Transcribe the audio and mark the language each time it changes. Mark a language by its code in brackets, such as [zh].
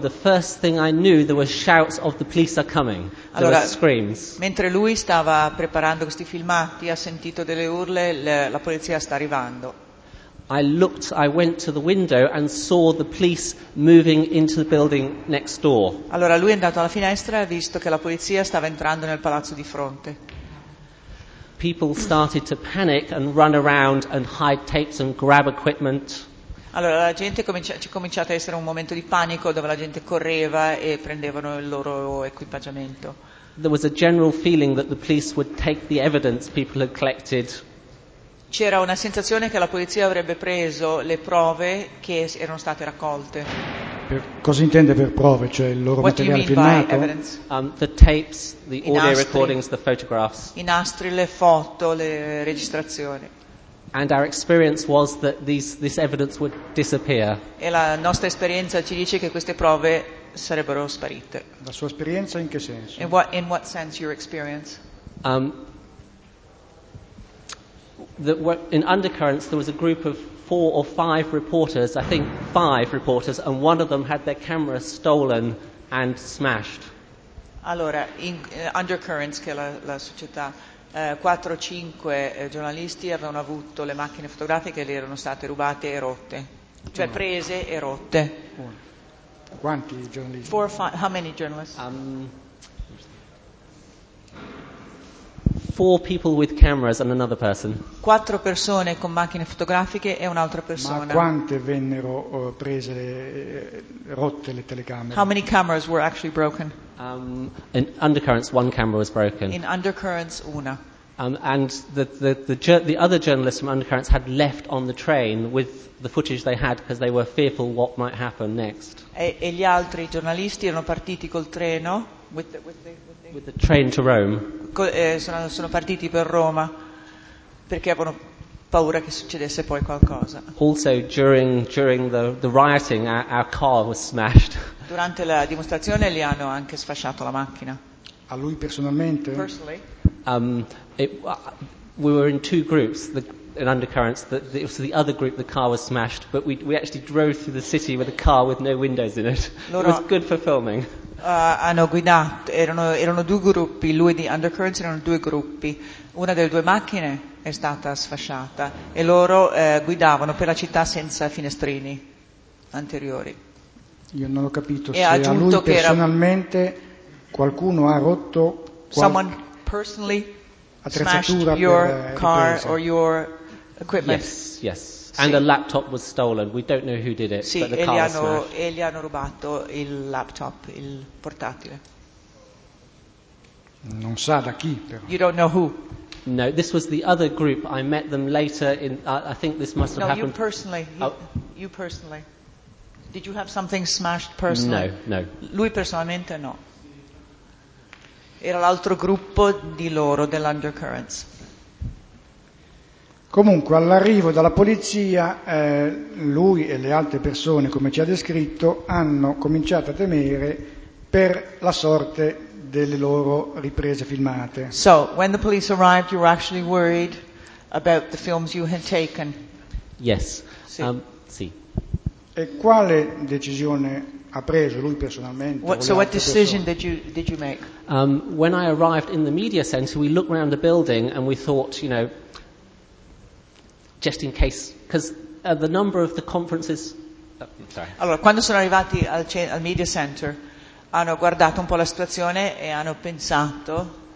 [en] The first thing I knew, there were shouts of "The police are coming." There [it] allora, [en] were screams. [it] Mentre lui stava preparando questi filmati, ha sentito delle urle. La polizia sta arrivando. [en] I looked. I went to the window and saw the police moving into the building next door. [it] Allora lui è andato alla finestra e ha visto che la polizia stava entrando nel palazzo di fronte. [en] People started to panic and run around and hide tapes and grab equipment. [it] Allora la gente cominciato a essere un momento di panico dove la gente correva e prendevano il loro equipaggiamento. [en] There was a general feeling that the police would take the evidence people had collected. [it] C'era una sensazione che la polizia avrebbe preso le prove che erano state raccolte. Cosa intende per prove? Cioè il loro materiale filmato? [en] The tapes, the audio recordings, the photographs. [it] I nastri, le foto, le registrazioni. [en] And our experience was that this evidence would disappear. [it] E la nostra esperienza ci dice che queste prove sarebbero sparite. La sua esperienza in che senso? [en] In what sense your experience? In Undercurrents there was a group of four or five reporters, I think five reporters, and one of them had their camera stolen and smashed. [it] Allora, in Undercurrents, che è la società, 4 o 5 giornalisti avevano avuto le macchine fotografiche e le erano state rubate e rotte, cioè prese e rotte. Quanti giornalisti? [en] Four or five, how many journalists? Four people with cameras and another person. [it] 4 persone con macchine fotografiche e un'altra persona. Ma quante vennero prese, rotte le telecamere? [en] How many cameras were actually broken? In Undercurrents, one camera was broken. [it] In Undercurrents, una. [en] And the other journalists from Undercurrents had left on the train with the footage they had because they were fearful what might happen next. [it] E gli altri giornalisti erano partiti col treno. [en] With the train to Rome. [it] Sono partiti per Roma perché avevano paura che succedesse poi qualcosa. [en] Also during the rioting our car was smashed. [it] Durante la dimostrazione li hanno anche sfasciato la macchina. A lui personalmente? [en] Personally. We were in two groups. In Undercurrents, it was the other group, the car was smashed, but we actually drove through the city with a car with no windows in it. [it] Loro, [en] it was good for filming. [it] Hanno guidato, erano due gruppi, lui di Undercurrents, erano due gruppi. Una delle due macchine è stata sfasciata e loro guidavano per la città senza finestrini anteriori. Io non ho capito se a lui personalmente qualcuno ha rotto [en] Someone personally smashed your car or your equipment. Yes. And the laptop was stolen. We don't know who did it, [it] sì, [en] but the car was smashed. [it] E gli hanno rubato il laptop, il portatile. Non sa da chi, però. [en] You don't know who. No, this was the other group. I met them later in I think this must have no, happened. No, you personally. Did you have something smashed personally? No. [it] Lui personalmente no. Era l'altro gruppo di loro, dell'Undercurrents. Comunque, all'arrivo dalla polizia, lui e le altre persone, come ci ha descritto, hanno cominciato a temere per la sorte delle loro riprese filmate. [en] So, when the police arrived, you were actually worried about the films you had taken? Yes. [it] Sì. Sì. E quale decisione ha preso lui personalmente? [en] What decision did you make? When I arrived in the media center, we looked around the building and we thought, you know, just in case, because the number of the conferences. [it] Allora, quando sono arrivati al media center, hanno guardato un po' la situazione e hanno pensato.